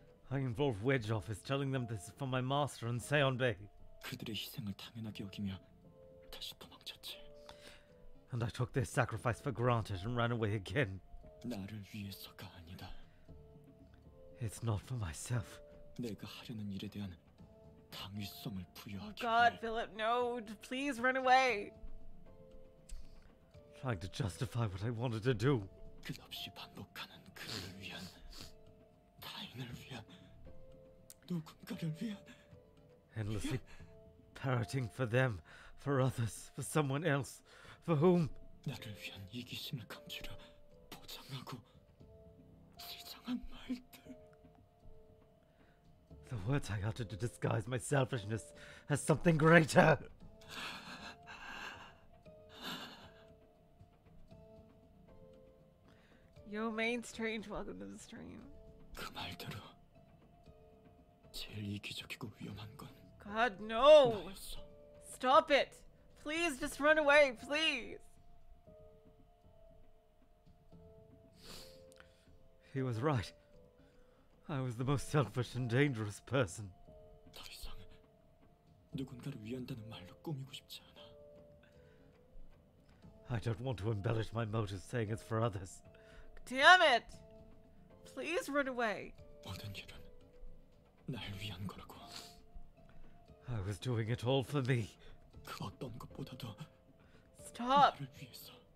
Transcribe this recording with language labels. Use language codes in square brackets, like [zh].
[en] I involved Wedge Office, telling them this is for my master and Seonbei. [ko] 그들의 희생을 당연하게 여기며 다시 도망쳤지. [en] And I took their sacrifice for granted and ran away again. [ko] 나를 위해서가 아니다. [en] It's not for myself. [ko] 내가 하려는 일에 대한 당위성을 부여하기 위해. [en] God, Philip, no. Please run away. Trying to justify what I wanted to do. [ko] 끝없이 반복하는 그를 위한 타인을 위한 누군가를 위한 [en] Endlessly parroting for them, for others, for someone else, for whom? [ko] 나를 위한 이기심을 감추려 보장하고 지정한 말들. [en] The words I uttered to disguise my selfishness as something greater. Yo, main strange, welcome to the stream. [ko] 그 말대로 제일 이기적이고 위험한 건. [en] God, no! Stop it! Please, just run away, please! He was right. I was the most selfish and dangerous person. [ko] 더 이상 누군가를 위한다는 말로 꾸미고 싶지 않아. [en] I don't want to embellish my motives saying it's for others. Damn it! Please run away! [ko] 모든 일은 날 위한 거라고. [en] I was doing it all for me. [ko] 그 어떤 것보다도 [en] Stop. [ko] 나를 위해서.